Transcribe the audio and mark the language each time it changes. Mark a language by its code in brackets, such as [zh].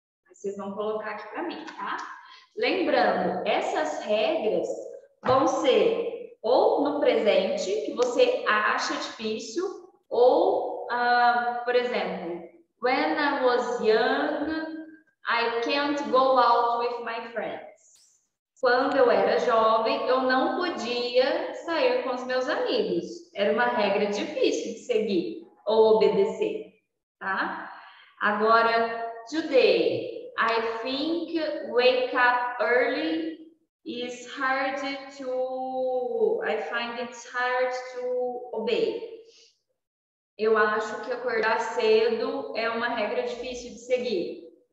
[pt] Vocês vão colocar aqui para mim, tá? Lembrando, essas regras vão ser ou no presente, que você acha difícil, ou, por exemplo, [en] when I was young, I can't go out with my friends. [pt] Quando eu era jovem, eu não podia sair com os meus amigos. Era uma regra difícil de seguir ou obedecer, tá? [en] Agora, today, I think wake up early is hard to... I find it's hard to obey. [pt] Eu acho que acordar cedo é uma regra difícil de seguir.